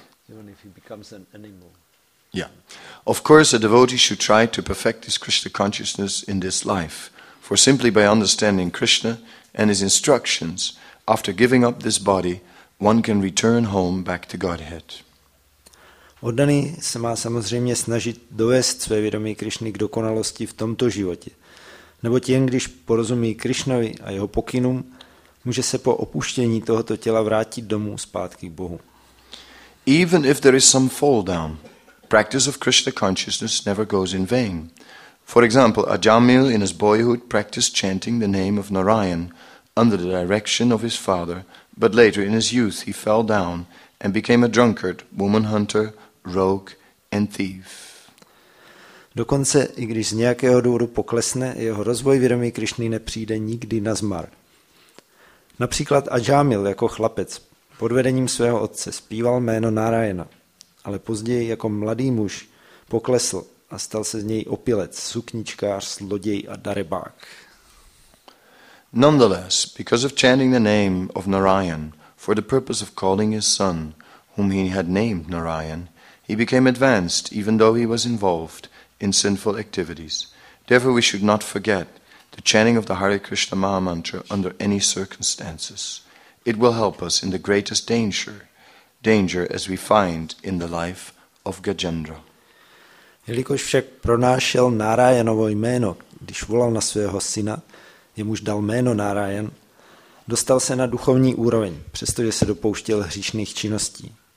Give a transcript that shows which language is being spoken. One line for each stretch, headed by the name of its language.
English: Even if he becomes an animal. Yeah. Of course, a devotee should try to perfect his Krishna consciousness in this life, for simply by understanding Krishna and his instructions, after giving up this body, one can return home back to Godhead.
Czech: Oddaný se má samozřejmě snažit dovést své vědomí Krišny k dokonalosti v tomto životě. Neboť jen když porozumí Krišnovi a jeho pokynům, může se po opuštění tohoto těla vrátit domů zpátky k Bohu.
English: Even if there is some fall down, practice of Krishna consciousness never goes in vain. For example, Ajamil in his boyhood practiced chanting the name of Narayan under the direction of his father, but later in his youth he fell down and became a drunkard, woman hunter, rogue and thief.
Czech: Dokonce i když z nějakého důvodu poklesne, jeho rozvoj vědomí Krišny nepřijde nikdy na zmar. Například Ajamil jako chlapec pod vedením svého otce zpíval jméno Narayana, ale později jako mladý muž poklesl a stal se z něj opilec, sukničkář, zloděj a darebák.
English: Nonetheless, because of chanting the name of Narayan for the purpose of calling his son, whom he had named Narayan, he became advanced even though he was involved in sinful activities. Therefore we should not forget the chanting of the Hare Krishna Maha Mantra under any circumstances. It will help us in the greatest danger as we find in the life of Gajendra.
Czech: Jelikož však pronášel Narayanovo jméno, když volal na svého syna, jemuž dal jméno Narayan, dostal se na duchovní úroveň, přestože se dopouštěl hříšných činností.